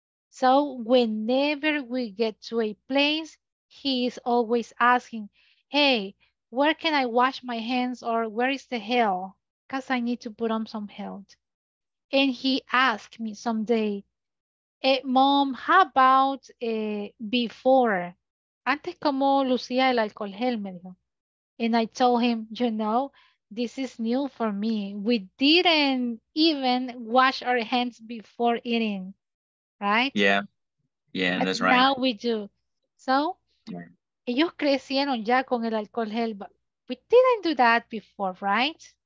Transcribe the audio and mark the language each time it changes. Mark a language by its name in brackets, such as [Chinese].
[English] So whenever we get to a place, he is always asking, hey, where can I wash my hands or where is the gel? Because I need to put on some gel. And he asked me someday, hey, mom, how about before? [Spanish] Antes como lucía el alcohol gel, me dijo. [English] And I told him, you know, this is new for me. We didn't even wash our hands before eating, right? Yeah, that's now right. Now we do. So, [Spanish] Ellos crecieron ya con el alcohol gel, [English] but we didn't do that before, right?